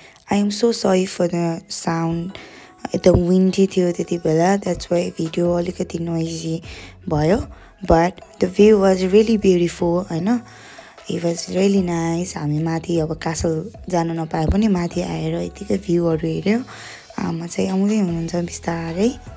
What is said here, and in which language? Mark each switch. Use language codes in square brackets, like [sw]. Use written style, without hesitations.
[en] I am so sorry for the sound. The windy [ne] thiyo teti bela. [en] That's why video [ne] alikati [en] noisy [ne] bhayo. [en] But the view was really beautiful, I know. It was really nice. [ne] हामी माथि अब castle जानु नपाए पनि माथि आएर यतिकै भ्यूहरू हेऱ्यो आमा चाहिँ आउँदै हुनुहुन्छ बिस्तारै